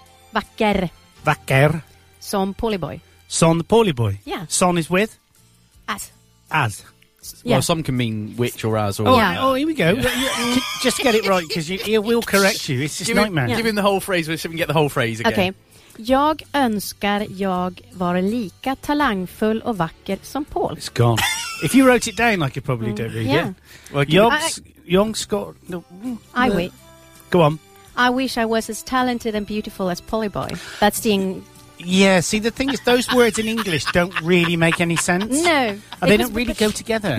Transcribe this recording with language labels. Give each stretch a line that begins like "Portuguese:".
Swedish: Vacker. Vacker. Som Polyboy. Som Polyboy.
English: Yeah. Son is with? As. Yeah. Well, some can mean which or as. Or oh, yeah. Oh, here we go. Just get it right, because he will correct you. It's just give nightmare. Give him the whole phrase, so we can get the whole phrase again. Okay.
Swedish: Jag önskar jag var lika talangfull och vacker som Paul.
English: It's gone. If you wrote it down, I could probably do it. Yeah. Yeah. Well, Go on. I wish I was as talented and beautiful as Polyboy. That's the... Yeah, see, the thing is, those words in English don't really make any sense. No. And they don't really go together.